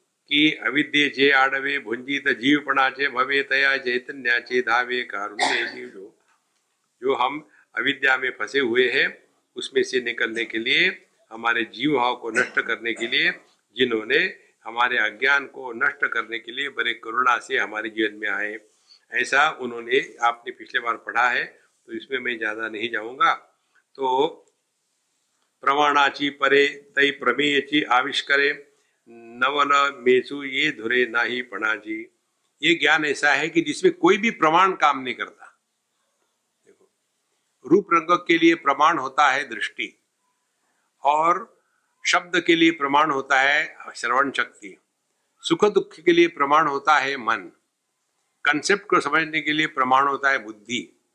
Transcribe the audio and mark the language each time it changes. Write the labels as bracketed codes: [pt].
[hi] कि [mr] अविद्ये जे आडवे भुंजित जीवपणाचे भवे तया चैतन्याचे धावे कारुण्ये जीव [hi] जो जो हम अविद्या में फंसे हुए हैं उसमें से निकलने के लिए हमारे जीव भाव को नष्ट करने के लिए जिन्होंने हमारे अज्ञान को नष्ट करने के लिए बड़े करुणा से हमारे जीवन में आए ऐसा उन्होंने आपने पिछले बार पढ़ा है तो इसमें मैं ज्यादा नहीं जाऊंगा। [mr] तो प्रमाणाची परे तई प्रमेयची आविष्करे नवन मेचु ये धुरे नाही पणाची। [hi] ये ज्ञान ऐसा है कि जिसमें कोई भी प्रमाण काम नहीं करता। देखो रूप रंग के लिए प्रमाण होता है दृष्टि और शब्द के लिए प्रमाण होता है श्रवण शक्ति, सुख दुख के लिए प्रमाण होता है मन, कंसेप्ट को समझने के लिए प्रमाण होता है बुद्धि।